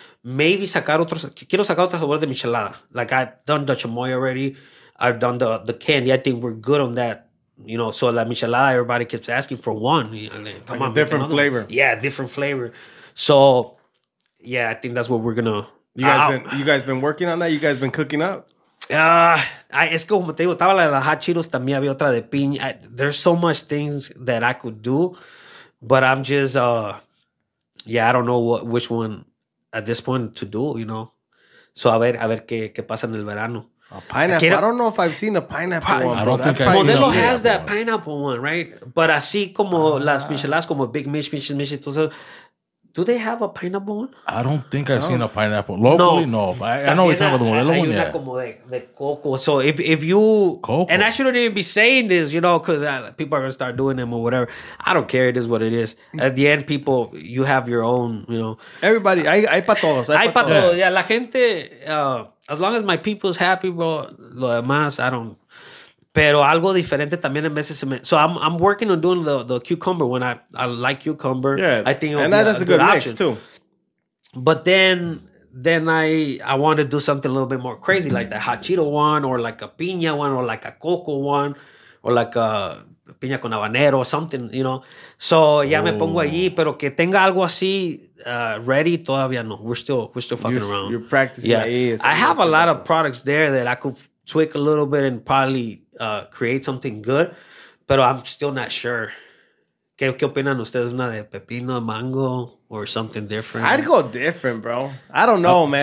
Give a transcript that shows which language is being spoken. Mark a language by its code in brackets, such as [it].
[es] Maybe sacar otros, quiero sacar otro sabor de michelada. [en] Like I've done the chamoy already. I've done the candy. I think we're good on that, you know. So la michelada, everybody keeps asking for one. Come like on, a different flavor. One. Yeah, different flavor. So yeah, I think that's what we're going to. You guys been working on that? You guys been cooking up? [es] Es como te digo, estaba la de las hot Cheetos, también había otra de piña. [en] There's so much things that I could do, but I'm just, I don't know which one at this point to do, you know. [es] So a ver qué pasa en el verano. [en] A pineapple. I don't know if I've seen a pineapple one. I don't think Modelo has that pineapple one, right? But así como las micheladas, como Big Mish, Mish, entonces, do they have a pineapple one? I don't think I've seen a pineapple. Locally, no. I know we're talking about the Modelo one, yeah. [es] Como de coco. So if you... Coco. [en] And I shouldn't even be saying this, you know, because people are going to start doing them or whatever. I don't care. It is what it is. At the end, people, you have your own, you know. [es] Everybody. Hay pa' todos. [en] Hay pa' todos. Yeah. La gente... as long as my people's happy, bro, lo demás, I don't... [es] Pero algo diferente también en veces. [en] So I'm working on doing the cucumber when I like cucumber. Yeah, I think and that's a good mix option too. But then I want to do something a little bit more crazy, like the hot Cheeto one or like a piña one or like a coco one or like a piña con habanero or something, you know. [es] So me pongo allí, pero que tenga algo así ready todavía no. [en] We're still fucking around. You're practicing. Yeah, I have a lot of products there that I could tweak a little bit and probably create something good, but I'm still not sure. [es] ¿Qué opinan ustedes? ¿Una de pepino, mango, or something different? [en] I'd go different, bro. I don't know, man.